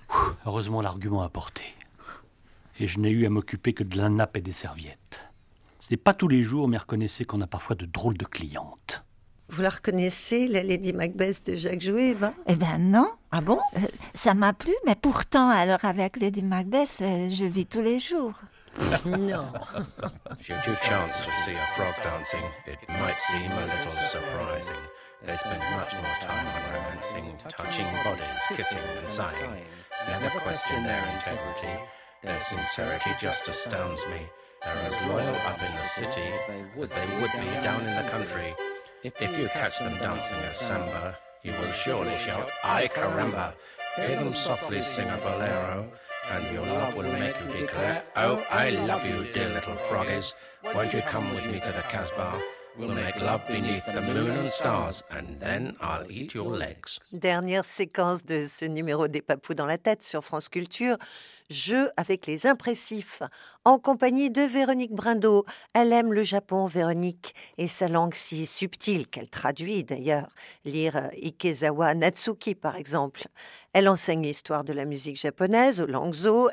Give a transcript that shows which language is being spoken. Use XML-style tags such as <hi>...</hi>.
<fr>» Heureusement, l'argument a porté. Et je n'ai eu à m'occuper que de la nappe et des serviettes. Ce n'est pas tous les jours, mais reconnaissez qu'on a parfois de drôles de clientes. Vous la reconnaissez, la Lady Macbeth de Jacques Jouet, Eva ? Eh bien non. Ah bon ? Ça m'a plu, mais pourtant, alors avec Lady Macbeth, je vis tous les jours. Non.</fr> <en>If you have a chance to see a frog dancing, it might seem a little surprising. They spend much more time on romancing, touching bodies, kissing and sighing. Never question their integrity, their sincerity just astounds me. They're as loyal up in the city as they would be down in the country. If you catch them dancing a samba, you will surely shout, "Ay caramba!" Hear them softly sing a bolero, and your love will make you declare, "Oh, I love you, dear little froggies. Won't you come with me to the Casbah? We'll make love beneath the moon and stars, and then I'll eat your legs."</en> <fr>Dernière séquence de ce numéro des Papous dans la tête sur France Culture. Jeu avec les impressifs. En compagnie de Véronique Brindeau. Elle aime le Japon, Véronique, et sa langue si subtile qu'elle traduit d'ailleurs. Lire Ikezawa Natsuki, par exemple. Elle enseigne l'histoire de la musique japonaise au Langzo.</fr>